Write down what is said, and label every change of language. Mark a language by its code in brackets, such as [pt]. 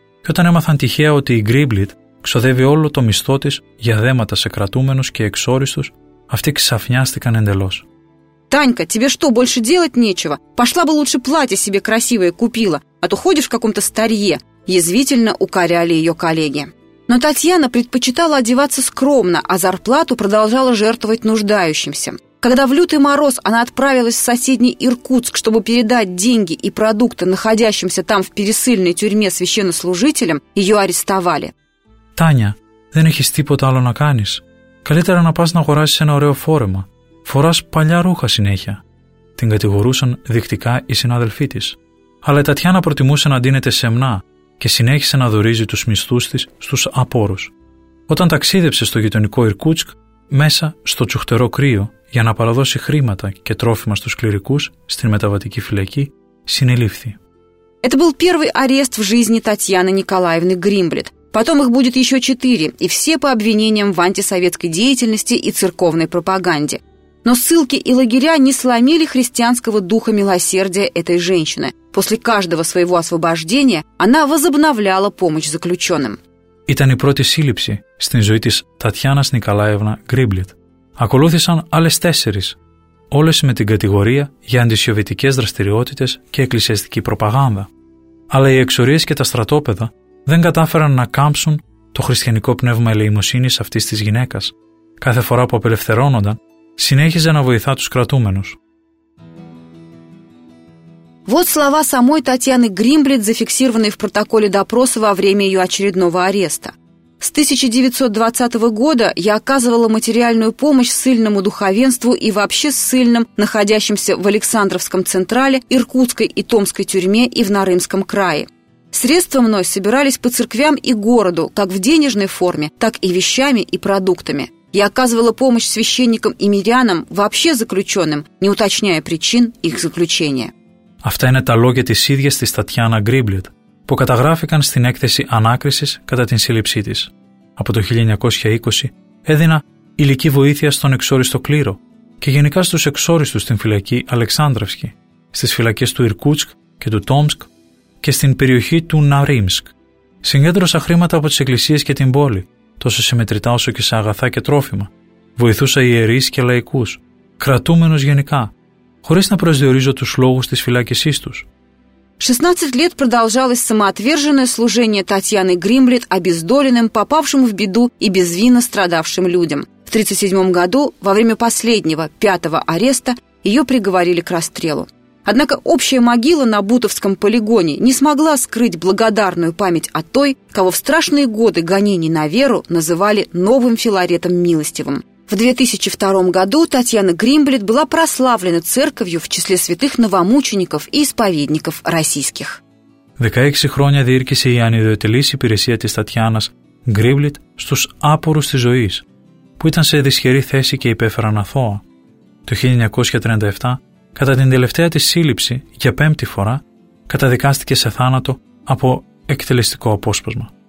[el] Και όταν έμαθαν τυχαία ότι η Γκρίμπλιτ ξοδεύει όλο το μισθό της για δέματα σε κρατούμενους και εξόριστους, αυτοί ξαφνιάστηκαν εντελώς. [ru] Танька, тебе что, больше делать нечего? Пошла бы лучше платье себе красивое купила, а то ходишь в каком-то старье, язвительно укоряли ее коллеги. Но Татьяна предпочитала одеваться скромно, а зарплату продолжала жертвовать нуждающимся. Когда в лютый мороз она отправилась в соседний Иркутск, чтобы передать деньги и продукты находящимся там в пересыльной тюрьме священнослужителям, ее арестовали. [el] Таня, δεν έχεις τίποτα άλλο να κάνεις. Καλύτερα να πας να αγοράσεις ένα ωραίο φόρεμα. Φοράς παλιά ρούχα συνέχεια. Την κατηγορούσαν δεικτικά οι συνάδελφοί της. Αλλά η Τατιάνα προτιμούσε να ντύνεται σεμνά και συνέχισε να δουρίζει τους μισθούς της στους απόρους. Όταν ταξίδεψε στο γειτονικό Ιρκούτσκ, μέσα στο τσουχτερό κρύο, για να παραδώσει χρήματα και τρόφιμα στους κληρικούς στην μεταβατική φυλακή, συνελήφθη. [ru] Это был первый арест в жизни Татьяны Николаевны Гримблет. Потом их будет еще 4, и все по обвинениям в антисоветской деятельности и церковной пропаганде. Но ссылки и лагеря не сломили христианского духа милосердия этой женщины. После каждого своего освобождения она возобновляла помощь заключенным. [el] Ήταν η πρώτη σύλληψη στην ζωή της Τατιάνας Νικολάευνα Γκρίμπλιτ. Ακολούθησαν άλλες 4, όλες με την κατηγορία για αντισοβιετικές δραστηριότητες και εκκλησιαστική προπαγάνδα. Αλλά οι εξορίες και τα στρατόπεδα δεν κατάφεραν να κάμψουν το χριστιανικό πνεύμα ελεημοσύνης αυτής της γυναίκας. Κάθε φορά που απελευθερώνονταν, συνέχιζε να βοηθά τους κρατούμενους. [ru] Вот слова самой Татьяны Гримблет, зафиксированные в протоколе допроса во время ее очередного ареста. «С 1920 года я оказывала материальную помощь ссыльному духовенству и вообще ссыльным, находящимся в Александровском централе, Иркутской и Томской тюрьме и в Нарымском крае. Средства мной собирались по церквям и городу, как в денежной форме, так и вещами и продуктами. Я оказывала помощь священникам и мирянам, вообще заключенным, не уточняя причин их заключения». [el] Αυτά είναι τα λόγια της ίδιας της Τατιάνα Γκρίμπλιτ, που καταγράφηκαν στην έκθεση ανάκρισης κατά την σύλληψή της. Από το 1920 έδινα υλική βοήθεια στον εξόριστο κλήρο και γενικά στους εξόριστους στην φυλακή Αλεξάνδρευσκη, στις φυλακές του Ιρκούτσκ και του Τόμσκ και στην περιοχή του Ναρίμσκ. Συγκέντρωσα χρήματα από τις εκκλησίες και την πόλη, τόσο σε μετρητά όσο και σε αγαθά και τρόφιμα. Βοηθούσα ιερείς και λαϊκούς, κρατούμενους γενικά. Χωρίς να προσδιορίζω τους λόγους της φυλάκησής τους. [ru] 16 лет продолжалось самоотверженное служение Татьяны Гримблет обездоленным, попавшим в беду и безвинно страдавшим людям. В 1937 году, во время последнего, 5-го ареста, ее приговорили к расстрелу. Однако общая могила на Бутовском полигоне не смогла скрыть благодарную память о той, кого в страшные годы гонений на веру называли новым Филаретом Милостивым. В 2002 году Татьяна Гримблет была прославлена церковью в числе святых новомучеников и исповедников российских. [el] 16 χρόνια διήρκησε η ανιδιοτελής υπηρεσία της Τατιάνας Γκρίμπλιτ στους άπορους της ζωής, που ήταν σε δυσχερή θέση και υπέφεραν αθώα. Το 1937, κατά την τελευταία της σύλληψη, για 5η φορά, καταδικάστηκε σε θάνατο από εκτελεστικό απόσπασμα.